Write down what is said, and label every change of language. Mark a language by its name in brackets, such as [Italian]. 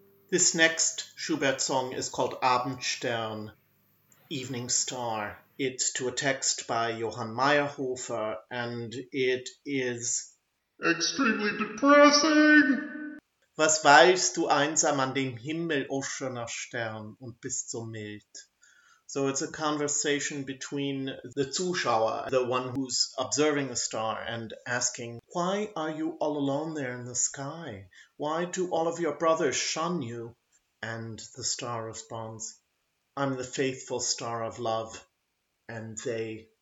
[English] This next Schubert song is called Abendstern, Evening Star. It's to a text by Johann Meyerhofer, and it is extremely depressing. [German] Was weilst du einsam an dem Himmel, o schöner Stern, und bist so mild? [English] So it's a conversation between the Zuschauer, the one who's observing the star, and asking, why are you all alone there in the sky? Why do all of your brothers shun you? And the star responds, I'm the faithful star of love. And they